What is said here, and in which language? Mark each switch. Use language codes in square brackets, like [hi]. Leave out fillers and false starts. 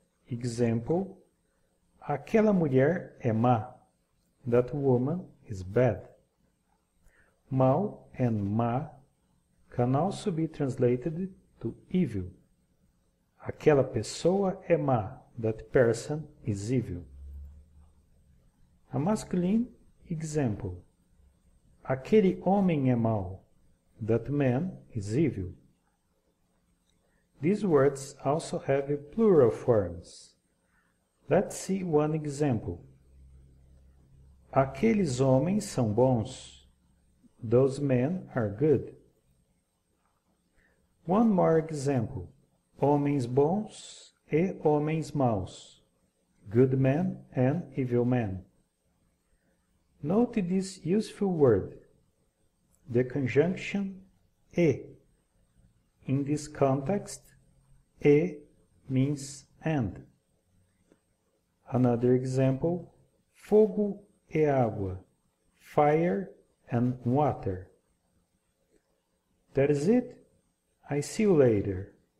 [en] Example: [pt] aquela mulher é má. [en] That woman is bad. Mal and má can also be translated to evil. [pt] Aquela pessoa é má. [en] That person is evil. A masculine example: [pt] aquele homem é mau. [en] That man is evil. These words also have plural forms. Let's see one example. [pt] Aqueles homens são bons. [en] Those men are good. One more example. [pt] Homens bons e homens maus. [en] Good men and evil men. Note this useful word, the conjunction e. In this context, e means and. Another example: [pt] fogo e água. [en] Fire and water. That is it. I see you later.